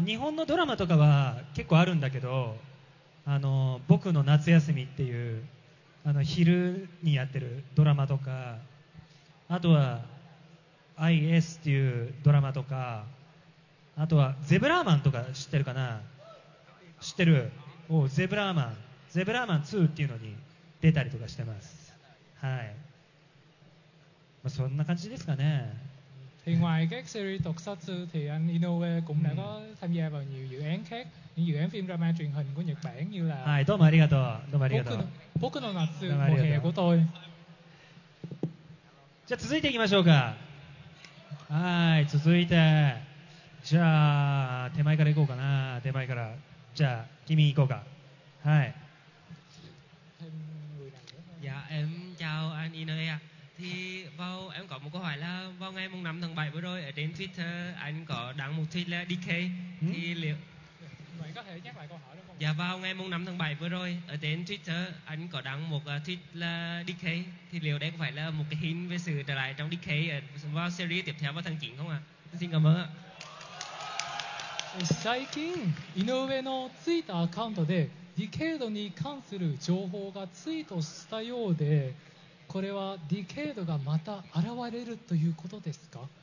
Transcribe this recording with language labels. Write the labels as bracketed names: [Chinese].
[Japanese] あ、日本のドラマとかは結構あるんだけど、あの僕の夏休みっていうあの昼にやってるドラマとか、あとは IS っていうドラマとか、あとはゼブラーマンとか知ってるかな？知ってる。おゼブラーマン、ゼブラーマン2っていうのに出たりとかしてます。はい、まあ、そんな感じですかね。 [Vietnamese] 另外各シリーズ特撮提案イノウェイ cũng đã có tham gia vào nhiều dự án khác, những dự án phim drama truyền hình của Nhật Bản như là [Japanese] はい、どうもありがとう、どうもありがとう。僕の夏、もう部屋ごとい。じゃあ続いていきましょうか。はい、続いてじゃあ手前から行こうかな。手前からじゃあ君行こうか。はい。 [Vietnamese] Dạ, em chào anh Inoue. Thì vào em có một câu hỏi là vào ngày 5 tháng 7 vừa rồi ở trên Twitter anh có đăng một tweet là DK. Thì liệu mày có thể nhắc lại câu hỏi được không? Dạ, vào ngày 5 tháng 7 vừa rồi ở trên Twitter anh có đăng một tweet là DK. Thì liệu đây có phải là một cái hint về sự trở lại trong DK vào series tiếp theo vào tháng 9 không ạ? Xin cảm ơn ạ. [Japanese] 最近井上のツイッターアカウントでディケードに関する情報がツイートしたようで、これはディケードがまた現れるということですか？